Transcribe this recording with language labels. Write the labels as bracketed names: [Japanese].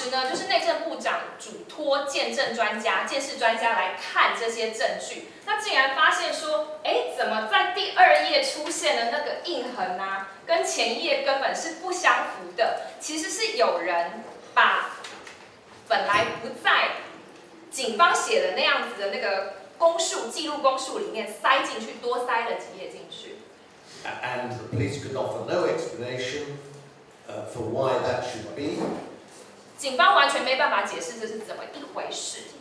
[Chinese] 就是内政部长嘱托见证专家、见识专家来看这些证据，那竟然发现说，哎，怎么在第二页出现的那个印痕啊，跟前一页根本是不相符的？其实是有人把本来不在警方写的那样子的那个公诉记录公诉里面塞进去，多塞了几页进去。 [English] And the police could offer no explanation for why that should be. [Chinese] 警方完全没办法解释这是怎么一回事。